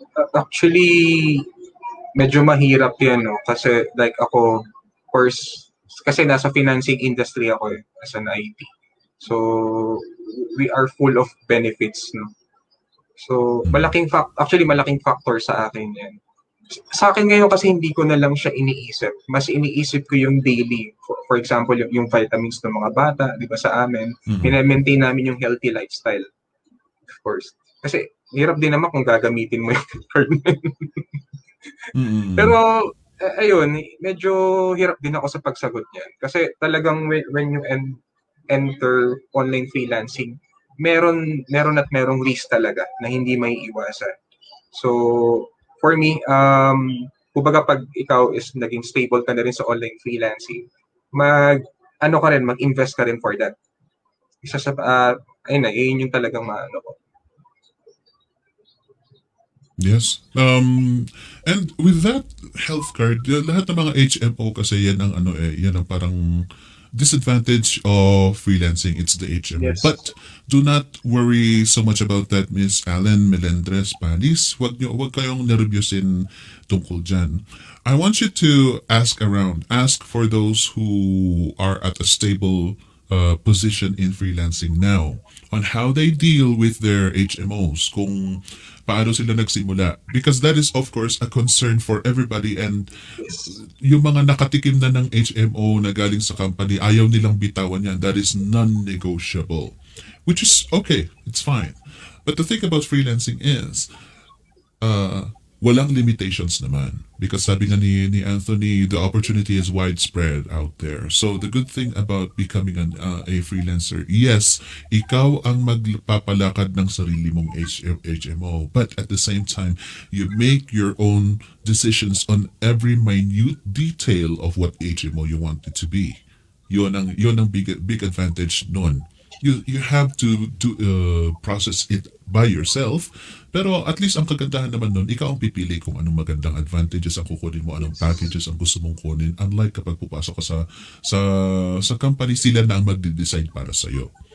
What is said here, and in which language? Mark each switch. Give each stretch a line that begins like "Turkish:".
Filipino: Actually, medyo mahirap yan, no? Kasi like ako, first, kasi nasa financing industry ako eh,
English: as an IT. So, we are full of benefits, no?
Filipino: So, malaking factor sa akin yan. Sa akin ngayon kasi hindi ko na lang siya iniisip. Mas iniisip ko yung daily. For example, yung vitamins ng mga bata, di ba, sa amin. Pina-maintain namin yung healthy lifestyle.
English: Of course.
Filipino: Kasi hirap din naman kung gagamitin mo yung card. Pero, ayun, medyo hirap din ako sa pagsagot niya. Kasi talagang
English: when you enter online freelancing,
Filipino: meron at merong risk talaga na hindi may iwasan. So,
English: for me,
Filipino: kumbaga pag ikaw is naging stable ka na rin sa online freelancing, mag-invest ka rin for that. Isa sa, yun yung talagang maano ko.
English: Yes. And with that health card,
Filipino: lahat ng mga HMO kasi yan ang ano eh, yan ang parang
English: disadvantage of freelancing, it's the HMO. Yes. But do not worry so much about that, Ms.
Filipino: Allen Melendres Panis. Huwag kayong nervyosin tungkol dyan.
English: I want you to ask around. Ask for those who are at a stable position in freelancing now on how they deal with their HMOs,
Filipino: kung paano sila nagsimula.
English: Because that is, of course, a concern for everybody. And yes,
Filipino: yung mga nakatikim na ng HMO na galing sa company, ayaw nilang bitawan yan.
English: That is non-negotiable. Which is okay. It's fine. But the thing about freelancing is, walang limitations naman. Because
Filipino: sabi nga ni Anthony,
English: the opportunity is widespread out there. So the good thing about becoming a freelancer, yes,
Filipino: ikaw ang magpapalakad ng sarili mong
English: HMO. But at the same time, you make your own decisions on every minute detail of what HMO you want it to be.
Filipino: Yun ang
English: big advantage nun. You have to do process it by yourself.
Filipino: Pero at least ang kagandahan naman nun, ikaw ang pipili kung anong magandang advantages ang kukunin mo, anong packages ang gusto mong kunin. Unlike kapag pupasok ka sa company, sila na ang magde-design para sa'yo.